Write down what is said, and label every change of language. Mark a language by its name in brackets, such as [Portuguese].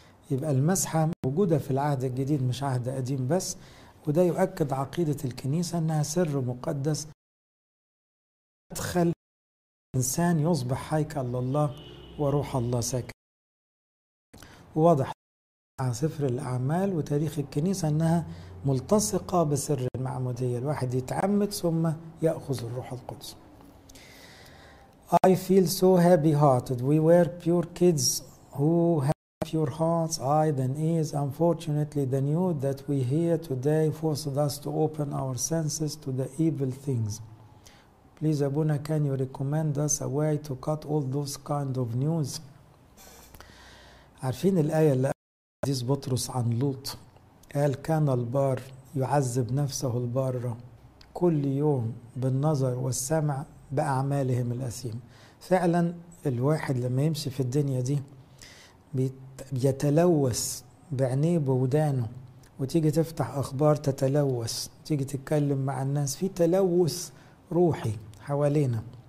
[Arabic] يبقى المسحة موجودة في العهد الجديد مش عهد قديم بس، وده يؤكد عقيدة الكنيسة أنها سر مقدس يدخل إنسان يصبح هيكل الله وروح الله ساكن. واضح على سفر الأعمال وتاريخ الكنيسة أنها ملتصقة بسر المعمودية، الواحد يتعمد ثم يأخذ الروح القدس. [English] I feel so happy hearted. We were pure kids who have pure hearts. I then is unfortunately the new that we hear today forced us to open our senses to the evil things. Please, Abuna, can you recommend us a way to cut all those kind of news? [Arabic] عارفين الآية اللي قال عزيز بطرس عن لوط؟ قال كان البار يعذب نفسه البارة كل يوم بالنظر والسمع بأعمالهم الأثيمة. فعلا الواحد لما يمشي في الدنيا دي بيتلوث بعينيه بودانه، وتيجي تفتح أخبار تتلوث، تيجي تتكلم مع الناس في تلوث روحي حوالينا.